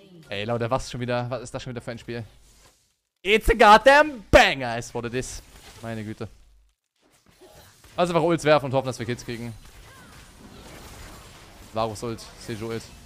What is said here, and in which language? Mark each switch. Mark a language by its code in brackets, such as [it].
[de] Ey, Leute, was schon wieder? Was ist das schon wieder für ein Spiel? [en] It's a goddamn banger, is what it is. [de] Meine Güte. Also einfach Ults werfen und hoffen, dass wir Kills kriegen. Varus Ult, Sejo Ult.